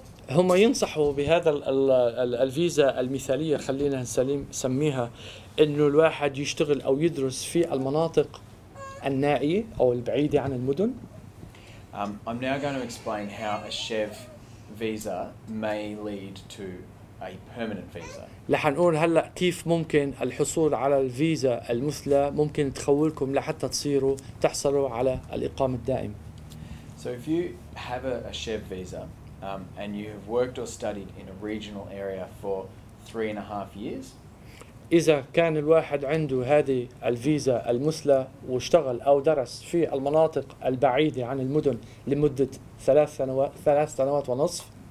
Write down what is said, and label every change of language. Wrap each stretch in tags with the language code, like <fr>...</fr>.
<ar>هم ينصحوا بهذا الفيزا المثالية خلينا نسميها إنه الواحد يشتغل أو يدرس في المناطق النائية أو البعيدة عن المدن.</ar> <en>I'm now going to explain how a chef visa may lead to a permanent visa.</en> <ar>لحنقول هلا كيف ممكن الحصول على الفيزا المثلى ممكن تخولكم لحتى تصيروا تحصلوا على الإقامة الدائمة.</ar> <en>So if you have a chef visa and you have worked or studied in a regional area for 3.5 years.</en> <ar>إذا كان الواحد عنده هذه الفيزا المثلى واشتغل أو درس في المناطق البعيدة عن المدن لمدة 3 سنوات ونصف.</ar>